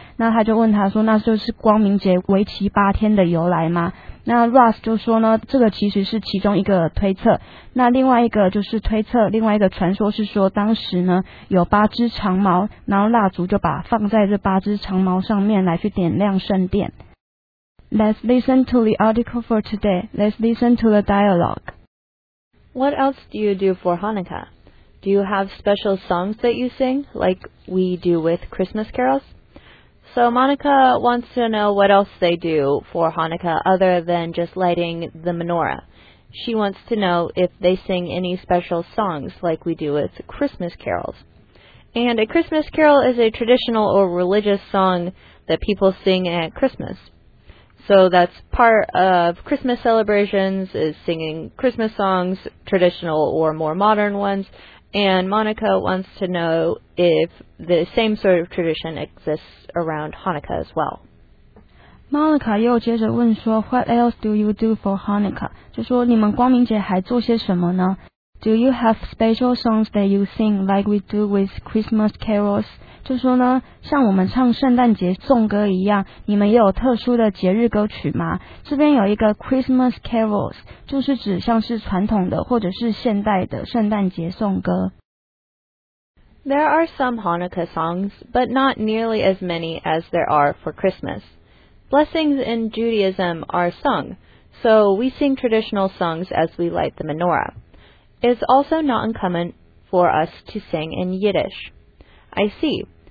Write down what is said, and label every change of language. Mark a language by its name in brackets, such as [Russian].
[Chinese] 那他就问他说，那就是光明节为期8天的由来吗？那 Ross 就说呢，这个其实是其中一个推测。那另外一个就是推测，另外一个传说是说，当时呢有8只长矛，然后蜡烛就把放在这8只长矛上面来去点亮圣殿。 [English] Let's listen to the article for today. Let's listen to the dialogue. What else do you do for Hanukkah? Do you have special songs that you sing, like we do with Christmas carols? So Monica wants to know what else they do for Hanukkah other than just lighting the menorah. She wants to know if they sing any special songs like we do with Christmas carols. And a Christmas carol is a traditional or religious song that people sing at Christmas. So that's part of Christmas celebrations, is singing Christmas songs, traditional or more modern ones. And Monica wants to know if the same sort of tradition exists around Hanukkah as well. Malika [Chinese] 又接着问说 [English] What else do you do for Hanukkah? [Chinese] 就说你们光明节还做些什么呢？ [English] Do you have special songs that you sing like we do with Christmas carols? [Chinese] 就说呢，像我们唱圣诞节颂歌一样，你们也有特殊的节日歌曲吗？这边有一个 Christmas carols， 就是指像是传统的或者是现代的圣诞节颂歌。 [English] There are some Hanukkah songs, but not nearly as many as there are for Christmas. Blessings in Judaism are sung, so we sing traditional songs as we light the menorah. It's also not uncommon for us to sing in Yiddish. I see.